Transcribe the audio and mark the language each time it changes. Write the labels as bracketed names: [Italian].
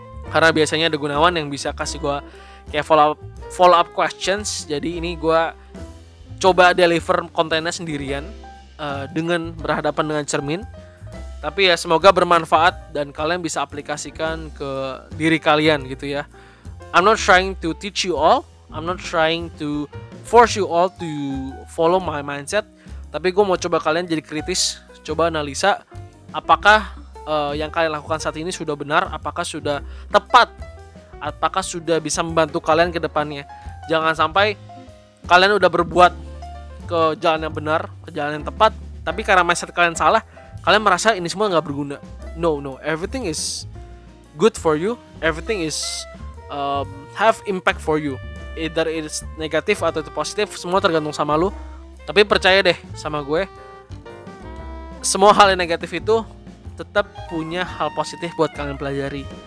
[Indonesian] Karena biasanya ada Gunawan yang bisa kasih gue kayak follow up questions. Jadi ini gue coba deliver kontennya sendirian dengan berhadapan dengan cermin. Tapi ya semoga bermanfaat dan kalian bisa aplikasikan ke diri kalian gitu ya. [English] I'm not trying to teach you all, I'm not trying to force you all to follow my mindset. [Indonesian] Tapi gue mau coba kalian jadi kritis, coba analisa apakah yang kalian lakukan saat ini sudah benar, apakah sudah tepat, apakah sudah bisa membantu kalian ke depannya. Jangan sampai kalian udah berbuat ke jalan yang benar, ke jalan yang tepat, tapi karena mindset kalian salah, kalian merasa ini semua gak berguna. [English] No, everything is good for you, everything is have impact for you. Either it is negative [Indonesian] atau positive, semua tergantung sama lu. Tapi percaya deh sama gue, semua hal yang negatif itu tetap punya hal positif buat kalian pelajari.